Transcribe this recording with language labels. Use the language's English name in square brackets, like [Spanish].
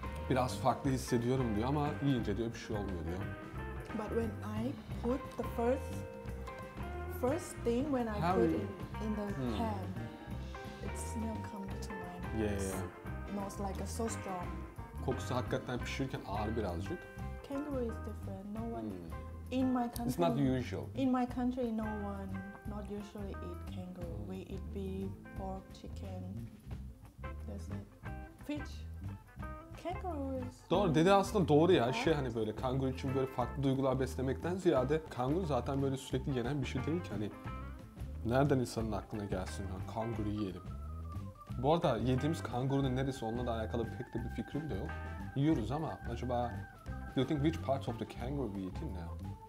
[Turkish] Biraz farklı hissediyorum diyor ama yiyince diyor bir şey olmuyor diyor. [English] But when I put the first thing when I put it in the pan, it smell come to my nose. Yeah, yeah. Most like a so strong. [Turkish] Kokusu hakikaten pişirirken ağır birazcık. [English] Kangaroo is different. No one in my country. It's not usual. In my country, no one. Not usually eat kangaroo. We eat beef, pork, chicken. That's it. Fish. Kangaroo is. [Turkish] Doğru dedi aslında doğru ya şey hani böyle kanguru için böyle farklı duygular beslemekten ziyade kanguru zaten böyle sürekli yenen bir şey değil ki hani nereden insanın aklına gelsin hani kanguru yiyelim. Bu arada yediğimiz kangurunun neresi onunla da alakalı pek de bir fikrim de yok. Yiyoruz ama acaba [English] do you think which part of the kangaroo we eating now?